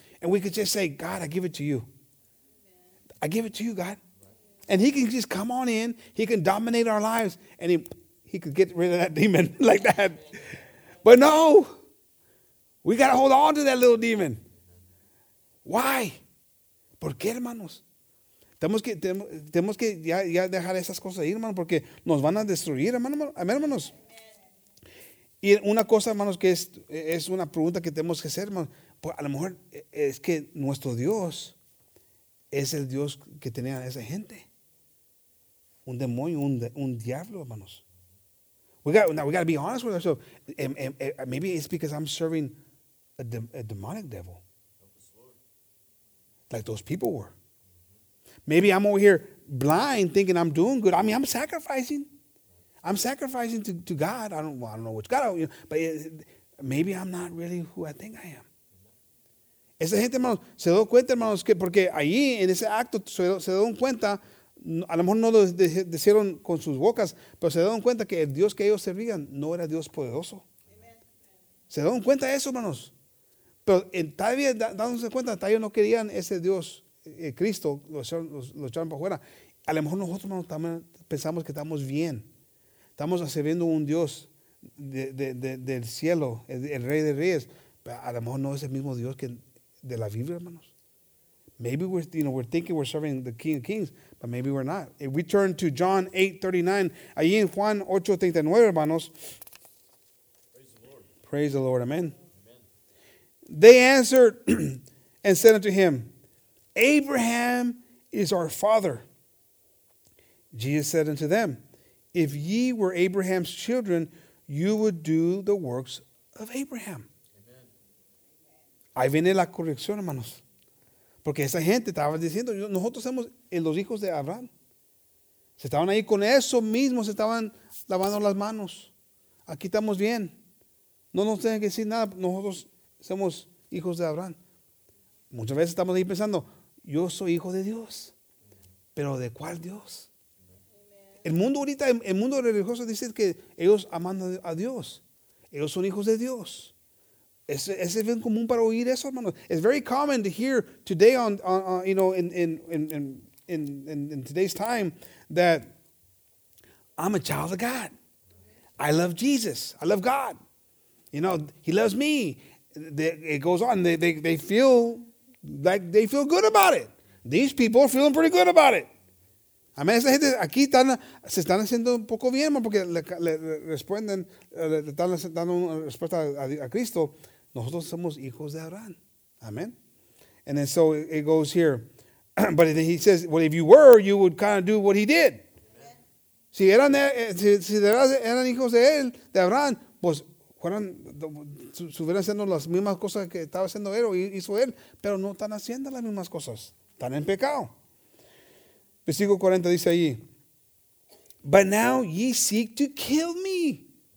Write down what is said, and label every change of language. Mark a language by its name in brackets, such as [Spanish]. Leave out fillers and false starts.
[English] And we could just say, God, I give it to you. I give it to you, God. And he can just come on in. He can dominate our lives. And he could get rid of that demon like that. But no, we got to hold on to that little demon. Why? [Spanish] ¿Por qué, hermanos? Tenemos que ya dejar esas cosas ahí, hermanos, porque nos van a destruir, hermanos. Y una cosa, hermanos, que es una pregunta que tenemos que hacer, hermanos, pues a lo mejor es que nuestro Dios es el Dios que tenía esa gente. Un demonio, un diablo, hermanos. [English] We got to be honest with ourselves. And maybe it's because I'm serving a demonic devil. Like those people were. Maybe I'm over here blind thinking I'm doing good. I mean, I'm sacrificing. I'm sacrificing to God. I don't know which God. But maybe I'm not really who I think I am. [Spanish] Esa gente, hermanos, se dio cuenta, hermanos, que porque allí en ese acto se dio cuenta. A lo mejor no lo dijeron con sus bocas, pero se dieron cuenta que el Dios que ellos servían no era Dios poderoso. Amen. Se dieron cuenta de eso, hermanos. Pero todavía dándose cuenta, todavía no querían ese Dios, Cristo, lo echaron para afuera. A lo mejor nosotros, hermanos, también pensamos que estamos bien. Estamos sirviendo un Dios del cielo, el Rey de Reyes. Pero a lo mejor no es el mismo Dios que de la Biblia, hermanos. [English] Maybe we're thinking we're serving the King of Kings, but maybe we're not. If we turn to John 8:39, [Spanish] allí en Juan 8:39, hermanos. [English] Praise the Lord. Praise the Lord. Amen. Amen. They answered and said unto him, Abraham is our father. Jesus said unto them, if ye were Abraham's children, you would do the works of Abraham. Amen. [Spanish] Ahí viene la corrección, hermanos. Porque esa gente estaba diciendo, nosotros somos los hijos de Abraham. Se estaban ahí con eso mismo, se estaban lavando las manos. Aquí estamos bien. No nos tienen que decir nada, nosotros somos hijos de Abraham. Muchas veces estamos ahí pensando, yo soy hijo de Dios. ¿Pero de cuál Dios? El mundo ahorita, el mundo religioso dice que ellos aman a Dios. Ellos son hijos de Dios. Es bien común para oír eso, hermanos. [English] It's very common to hear today in today's time that I'm a child of God. I love Jesus. I love God. You know, he loves me. It goes on. They feel like they feel good about it. These people are feeling pretty good about it. I mean, [Spanish] esa gente aquí se están haciendo un poco bien, porque le están dando una respuesta a Cristo. Nosotros somos hijos de Abraham. [English] Amen. And then so it goes here. But then he says, well, if you were, you would kind of do what he did. [Spanish] Si eran hijos de él, de Abraham, pues fueran, estuvieran haciendo las mismas cosas que estaba haciendo él o hizo él, pero no están haciendo las mismas cosas. Están en pecado. Versículo 40 dice allí, [English] but now ye seek to kill me.